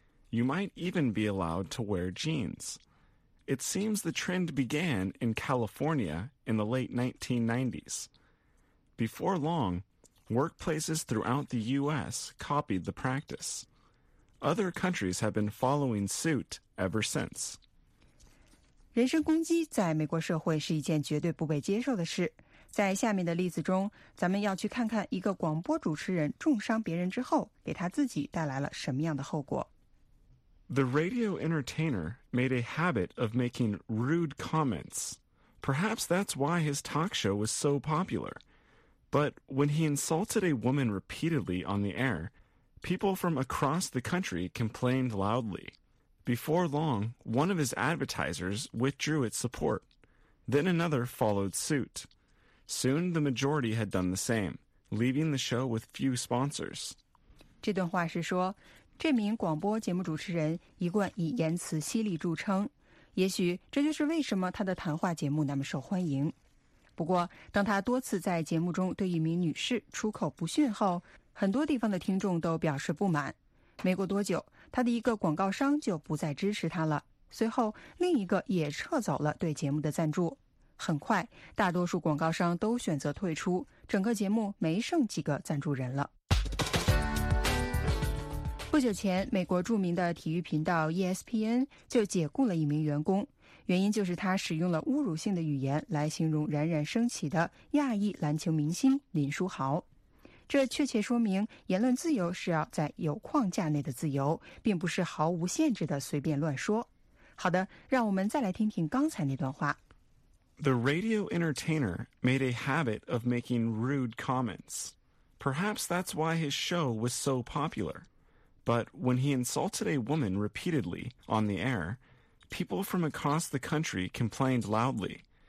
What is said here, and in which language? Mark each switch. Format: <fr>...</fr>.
<en>You might even be allowed to wear jeans. It seems the trend began in California in the late 1990s. Before long, workplaces throughout the U.S. copied the practice. Other countries have been following suit ever since.</en> <zh>人身攻击在美国社会是一件绝对不被接受的事。在下面的例子中，咱们要去看看一个广播主持人重伤别人之后，给他自己带来了什么样的后果。</zh> <en>The radio entertainer made a habit of making rude comments. Perhaps that's why his talk show was so popular. But when he insulted a woman repeatedly on the air, people from across the country complained loudly. Before long, one of his advertisers withdrew its support. Then another followed suit. Soon the majority had done the same, leaving the show with few sponsors.</en> <zh>这段话是说，这名广播节目主持人一贯以言辞犀利著称，也许这就是为什么他的谈话节目那么受欢迎。不过，当他多次在节目中对一名女士出口不逊后，很多地方的听众都表示不满。没过多久，他的一个广告商就不再支持他了，随后另一个也撤走了对节目的赞助。很快，大多数广告商都选择退出，整个节目没剩几个赞助人了。不久前，美国著名的体育频道 ESPN 就解雇了一名员工，原因就是他使用了侮辱性的语言来形容冉冉升起的亚裔篮球明星林书豪。这确切说明，言论自由是要在有框架内的自由，并不是毫无限制的随便乱说。好的，让我们再来听听刚才那段话。</zh> <en>The radio entertainer made a habit of making rude comments. Perhaps that's why his show was so popular. But when he insulted a woman repeatedly on the air, people from across the country complained loudly.</en>